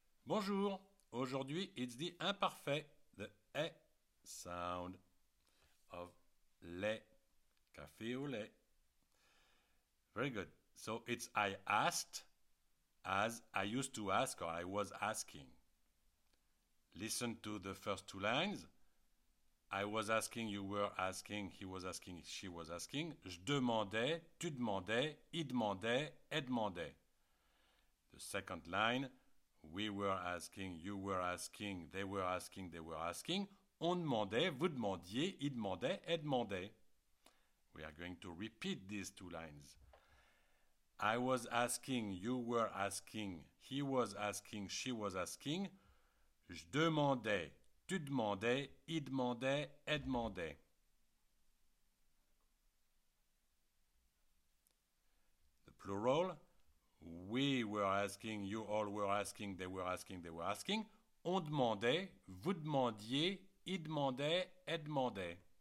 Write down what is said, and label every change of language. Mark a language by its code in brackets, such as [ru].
[fr] Bonjour, aujourd'hui [en] it's the imparfait, the e sound of lait, café au lait. Very good. So it's I asked, as I used to ask or I was asking. Listen to the first two lines. I was asking, you were asking, he was asking, she was asking. [fr] Je demandais, tu demandais, il demandait, elle demandait. [en] The second line. We were asking, you were asking, they were asking, they were asking. [fr] On demandait, vous demandiez, ils demandaient, elles demandaient. [en] We are going to repeat these two lines. I was asking, you were asking, he was asking, she was asking. [fr] Je demandais, tu demandais, ils demandaient, elles demandaient. [en] The plural. We were asking, you all were asking, they were asking, they were asking. [fr] On demandait, vous demandiez, ils demandaient, elles demandaient.